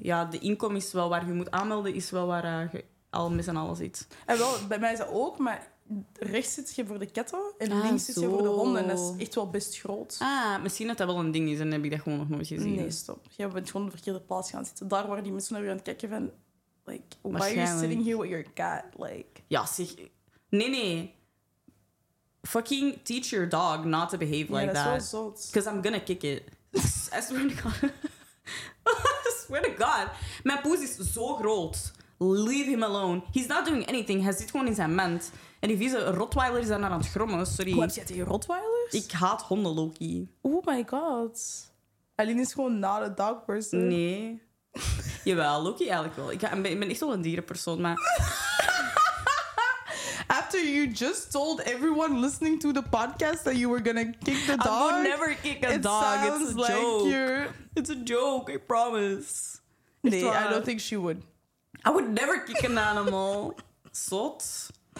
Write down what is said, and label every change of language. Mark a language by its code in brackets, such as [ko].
[nl] Ja, de inkom is wel waar je moet aanmelden, is wel waar je al mis en alles zit. En wel, bij mij is dat ook, maar rechts zit je voor de katten en links zit je voor de honden. Dat is echt wel best groot. Ah, misschien dat dat wel een ding is en heb ik dat gewoon nog nooit gezien. Nee, stop. Je bent gewoon op de verkeerde plaats gaan zitten. Daar waren die mensen naar je aan het kijken van... [en] Like, why are you sitting here with your cat? Like... [nl] Ja, zeg... Nee, nee. [en] Fucking teach your dog not to behave like that. Yeah, that's because I'm gonna kick it. I swear to God. I swear to God. [nl] Mijn poes is zo groot. [en] Leave him alone. He's not doing anything. [nl] Hij zit gewoon in zijn mand. En die vieze Rottweiler is daar naar aan het grommen. Sorry. Hoe heb je tegen Rottweilers? Ik haat honden, Loki. [en] Oh my God. Aline is gewoon not a dog person. [nl] Nee. Jawel, Loki eigenlijk wel. Ik ben echt wel een dierenpersoon, maar... [en] After you just told everyone listening to the podcast that you were gonna kick the dog... I will never kick a dog. It's a joke. It's a joke, I promise. Nee, I don't think she would. I would never kick an animal. Zot.